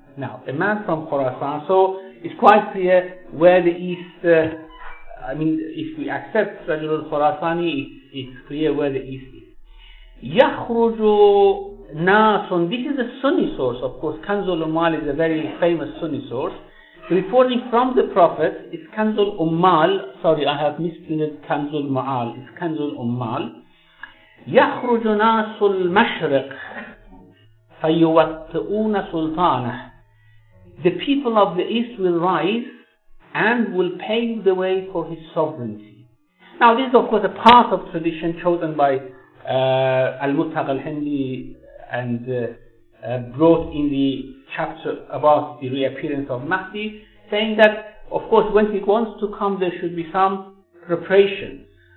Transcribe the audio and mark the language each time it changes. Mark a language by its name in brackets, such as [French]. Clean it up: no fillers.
[English] Now, a man from Khurasan, so it's quite clear where the East, if we accept Ar-Rajul al-Khurasani, it's clear where the East is. Yakhruju Nasun, this is a Sunni source, of course. Kanzul Ummal is a very famous Sunni source. Reporting from the Prophet, it's Kanzul Ummal, sorry, I have misprinted Kanzul Ma'al, it's Kanzul Ummal. [Arabic] يخرج ناس المشرق فيوطئون سلطانه. [English] The people of the East will rise and will pave the way for his sovereignty. Now this is of course a part of tradition chosen by Al-Muttaq al-Hindi and brought in the chapter about the reappearance of Mahdi, saying that of course when he wants to come there should be some preparation.